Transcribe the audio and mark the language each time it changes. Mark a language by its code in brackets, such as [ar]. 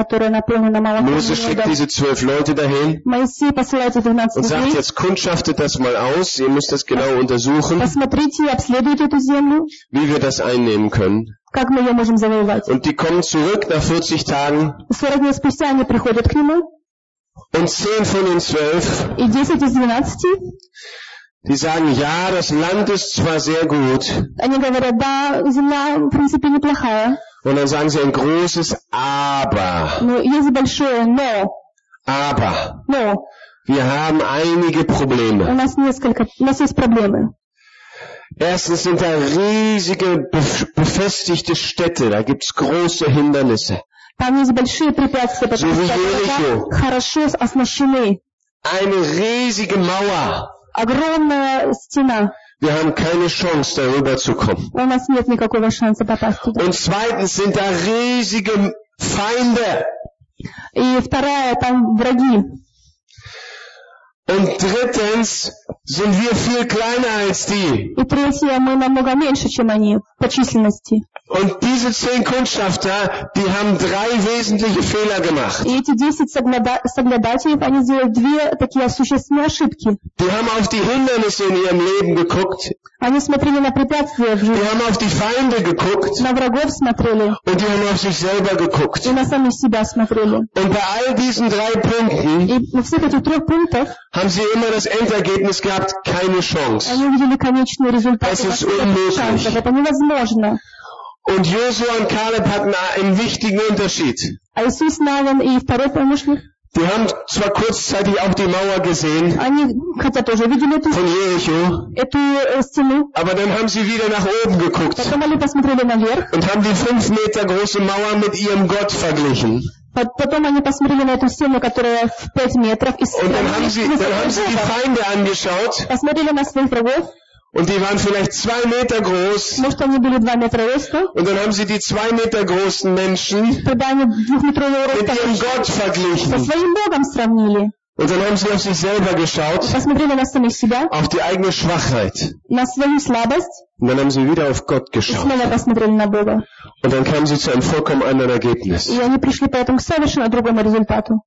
[de] Mose schickt diese 12 Leute dahin und sagt, jetzt kundschaftet das mal aus, ihr müsst das genau untersuchen, wie wir das einnehmen können. Und die kommen zurück nach 40 Tagen und 10 von den 12 die sagen, ja, das Land ist zwar sehr gut. [ru] Говорят, да, земля, в принципе, неплохая. [de] Und dann sagen sie ein großes Aber. [ru] Но есть большое Но. [de] Aber. [ru] Но. [de] Wir haben einige Probleme. [ru] У нас несколько, у нас есть проблемы. [de] Erstens sind da riesige befestigte Städte, da gibt's große Hindernisse. [ru] Там есть большие препятствия, потому что они хорошо оснащены. [de] Eine riesige Mauer. [ru] Огромная стена. [de] Wir haben keine Chance, darüber zu kommen. [ru] У нас нет никакого шанса попасть туда. [de] Und zweitens sind da riesige Feinde. [ru] И вторая, там враги. [de] Und drittens sind wir viel kleiner als die. [ru] И третье, мы намного меньше, чем они по численности. [de] Und diese 10 Kundschafter, die haben 3 wesentliche Fehler gemacht. [ru] И эти 10 соглядатаев, они сделали 2 такие существенные ошибки. [de] Die haben auf die Hindernisse in ihrem Leben geguckt. [ru] Они смотрели на препятствия в жизни. [de] Die haben auf die Feinde geguckt. [ru] На врагов смотрели. [de] Und die haben auf sich selber geguckt. [ru] И на самих себя смотрели. [de] Und bei all diesen 3 Punkten [ru] и на всех этих 3 пунктах [de] haben sie immer das Endergebnis gehabt, keine Chance. [ru] Они увидели конечный результат. [de] Das ist unmöglich. [ru] Это невозможно. [de] Und Joshua und Caleb hatten einen wichtigen Unterschied. Die haben zwar kurzzeitig auch die Mauer gesehen von Jericho, aber dann haben sie wieder nach oben geguckt und haben die 5 Meter große Mauer mit ihrem Gott verglichen. [ru] Потом они посмотрели на эту стену, которая в 5 метров. [de] Und dann haben sie die Feinde angeschaut. [ru] Посмотрели на своих врагов. [de] Und die waren vielleicht 2 Meter groß. [ru] Может, они были 2 метра роста? [de] Und dann haben sie die 2 Meter großen Menschen mit ihrem Gott verglichen. [ru] Со своим Богом сравнили. [de] Und dann haben sie auf sich selber geschaut. [ru] Посмотрели на самих себя. [de] Auf die eigene Schwachheit. [ru] На свою слабость. [de] Und dann haben sie wieder auf Gott geschaut. [ru] И снова посмотрели на Бога. [de] Und dann kamen sie zu einem vollkommen anderen Ergebnis. [ru] И они пришли поэтому к совершенно другому результату.